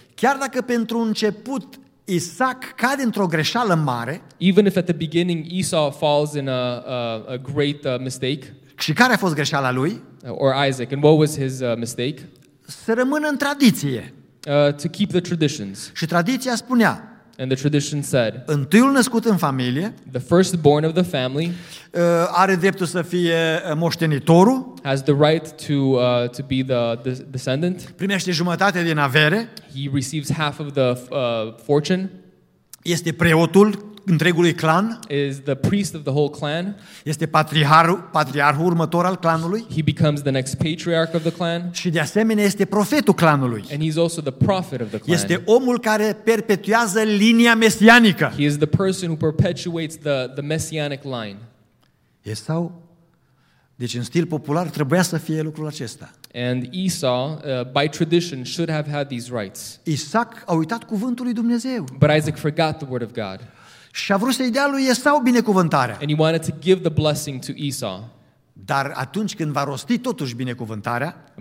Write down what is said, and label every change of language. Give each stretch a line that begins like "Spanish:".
Romanian: Chiar dacă pentru început Isaac cade într-o greșeală mare.
English: Even if at the beginning Esau falls in a great mistake.
Romanian: Și care a fost greșeala lui?
English: Or Isaac, and what was his mistake?
Romanian: Să rămână în tradiție.
English: To keep the traditions.
Romanian: Și tradiția spunea.
English: And the tradition said.
Romanian: Întâiul născut în familie.
English: The firstborn of the family.
Romanian: Are dreptul să fie moștenitorul.
English: Has the right to be the descendant.
Romanian: Primește jumătate din avere.
English: He receives half of the fortune.
Romanian: Este preotul întregului clan.
English: Is the priest of the whole clan.
Romanian: Este patriarhul următor al clanului.
English: He becomes the next patriarch of the clan.
Romanian: Și de asemenea este profetul clanului.
English: And he's also the prophet of the clan.
Romanian: Este omul care perpetuează linia mesianică.
English: He is the person who perpetuates the messianic line.
Romanian: Esau, deci în stil popular trebuia să fie lucrul acesta.
English: And Esau, by tradition, should have had these rights.
Romanian: Isaac a uitat cuvântul lui Dumnezeu.
English: But Isaac forgot the word of God.
Romanian: Și a vrut să-i dea lui Esau binecuvântarea.
English: And he wanted to give the blessing to Esau.
Romanian: Dar atunci când va rosti totuși binecuvântarea,